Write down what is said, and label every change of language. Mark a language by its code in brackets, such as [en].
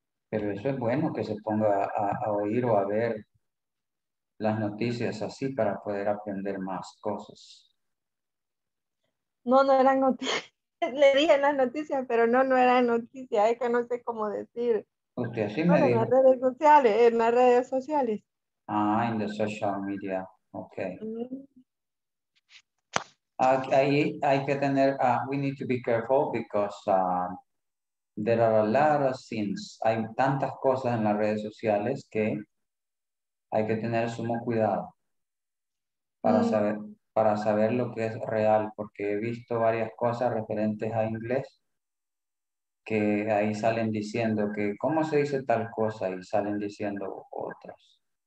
[es] Pero eso es bueno que se ponga a oír o a ver las noticias así para poder aprender más cosas. No, no eran noticias. Le dije las noticias, pero no, no eran noticias. Es que no sé cómo decir. Usted así me dijo. En las redes sociales, en las redes sociales. Ah, en las [en] social media. [es] Ok. Ahí hay que tener, [en] we need to be careful because there are a lot of things. [es] Hay tantas cosas en las redes sociales que hay que tener sumo cuidado para saber lo que es real, porque he visto varias cosas referentes a inglés que ahí salen diciendo que cómo se dice tal cosa y salen diciendo otras.